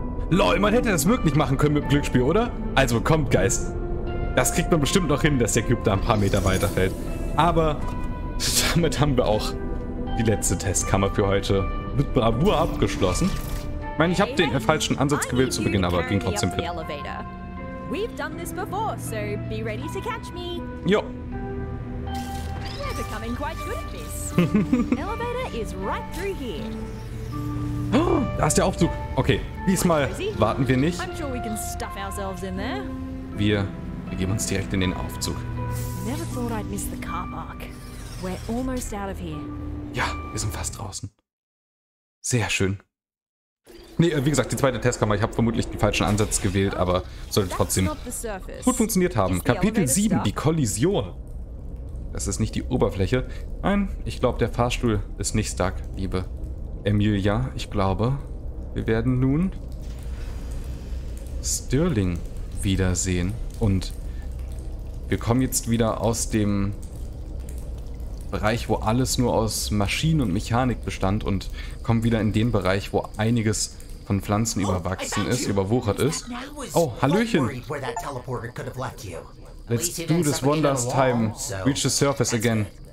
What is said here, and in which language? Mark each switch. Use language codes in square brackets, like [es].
[de] LOL, man hätte das wirklich machen können mit dem Glücksspiel, oder? Also, kommt, Geist. Das kriegt man bestimmt noch hin, dass der Cube da ein paar Meter weiterfällt. Aber damit haben wir auch die letzte Testkammer für heute mit Bravour abgeschlossen. Ich meine, ich habe den falschen Ansatz gewählt zu Beginn, aber ging trotzdem fit. [en] We've done this before, so be ready to catch me. Jo. We're becoming quite good at this. Elevator is right through here. [de] Oh, da ist der Aufzug. Okay, diesmal warten wir nicht. [en] I'm sure we can stuff ourselves in there. [de] Wir begeben uns direkt in den Aufzug. [en] Never thought I'd miss the car park. We're almost out of here. [de] Ja, wir sind fast draußen. Sehr schön. Nee, wie gesagt, die zweite Testkammer. Ich habe vermutlich den falschen Ansatz gewählt, aber sollte trotzdem gut funktioniert haben. Kapitel 7, die Kollision. Das ist nicht die Oberfläche. Nein, ich glaube, der Fahrstuhl ist nicht stuck, liebe Emilia. Ich glaube, wir werden nun Sterling wiedersehen. Und wir kommen jetzt wieder aus dem Bereich, wo alles nur aus Maschinen und Mechanik bestand und kommen wieder in den Bereich, wo einiges von Pflanzen überwachsen ist, überwuchert ist. Oh, Hallöchen! [en] Let's do this one last time. Reach the surface again.